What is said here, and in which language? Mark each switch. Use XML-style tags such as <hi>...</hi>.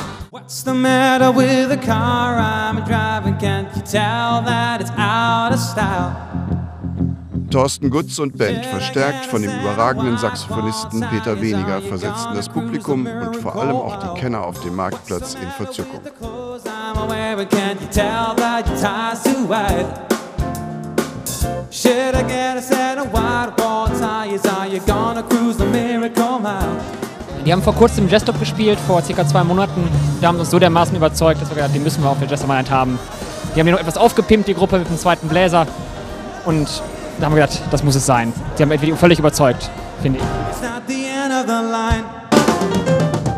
<en>What's the matter with the car I'm driving? Can't you tell that it's out of style?</en> <de>Thorsten Gutz und Band, verstärkt von dem überragenden Saxophonisten Peter Weniger, versetzten das Publikum und vor allem auch die Kenner auf dem Marktplatz in Verzückung.</de> <en>Can't you tell that your tie's too wide? Should I get a set of white ball tires? Are you gonna cruise the miracle mile?</en> <de>Die haben vor kurzem im Jazz-Top gespielt, vor circa 2 Monaten. Da haben sie uns so dermaßen überzeugt, dass wir gesagt haben, die müssen wir auf der Jazz-Top haben. Die haben hier noch etwas aufgepimpt, die Gruppe, mit dem zweiten Bläser. Und da haben wir gedacht, das muss es sein. Die haben mich völlig überzeugt, finde ich.</de> <en>It's not the end of the line.</en>